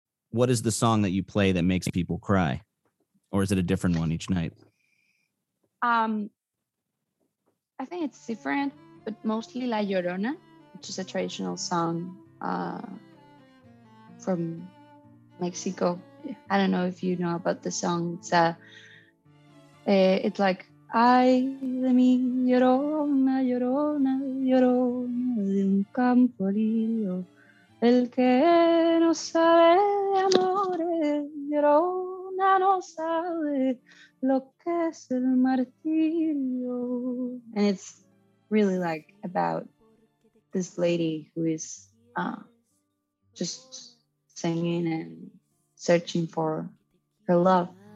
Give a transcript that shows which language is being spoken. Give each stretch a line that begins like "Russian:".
English: What is the song that you play that makes people cry? Or is it a different one each night? I think it's different, but mostly La Llorona, which is a traditional song from Mexico. I don't know if you know about the song. It's like,
Spanish: ay de mi llorona, llorona, llorona, de un campo lío, el que no sabe de amores, llorona, no sabe lo que es el martirio.
English: And it's really like about this lady who is just singing and searching for her love.